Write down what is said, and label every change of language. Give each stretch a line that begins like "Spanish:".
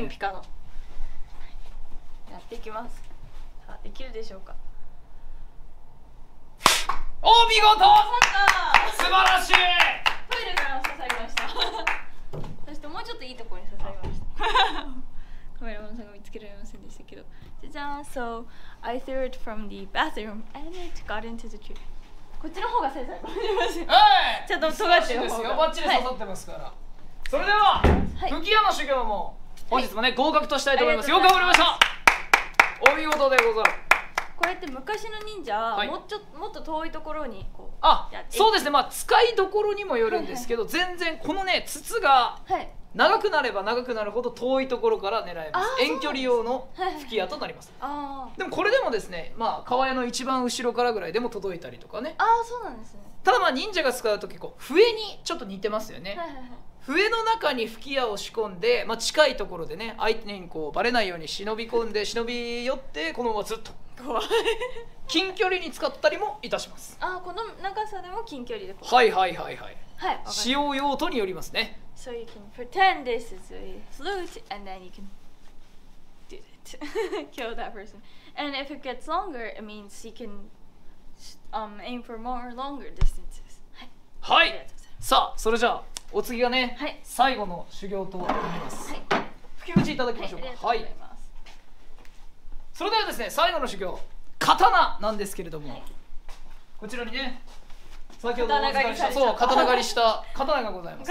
Japanese: 金ピカの。やっていきます。さあ、できるでしょうか。お見事！刺さった！素晴らしい！トイレから刺さりました。そしてもうちょっといいところに刺さりました。カメラマンさんが見つけられませんでしたけど、じゃじゃーん。
English: So I threw it from the bathroom and it got into the tree。
Japanese: こっちの方が正解。はい、ちゃんと尖ってる方がバッチリ刺さってますから、はい、それでは、はい、吹き矢の修行も本日もね、はい、合格としたいと思います。よく頑張りました。お見事でござる。こうやって昔の忍者は、はい、もっと遠いところにこう、あ、そうですね、まあ使いどころにもよるんですけど、はいはい、全然このね、筒が、はい、長くなれば長くなるほど遠いところから狙えます。遠距離用の吹き矢となります。あ、でもこれでもですね、まあ川屋の一番後ろからぐらいでも届いたりとかね。あ、そうなんですね。ただまあ忍者が使うと結構笛にちょっと似てますよね、はいはいはい、笛の中に吹き矢を仕込んで、まあ、近いところでね、相手にこうバレないように忍び込んで忍び寄って、このままずっと怖い近距離に使ったりもいたします。あ、この長さでも近距離で。はいはいはいはい、はい、使用用途によりますね。
English: So you can pretend this is a flute and then you can do it. Kill that person. And if it gets longer, it means you can aim for more longer distances.
Japanese: はい、さあ、それじゃあお次がね、はい、最後の修行となります。はい、吹き口いただきましょうか。はい、ありがとうございます。それではですね、最後の修行、刀なんですけれども、はい、こちらにね、先ほどお伝えした、そう、刀狩りした刀がございます。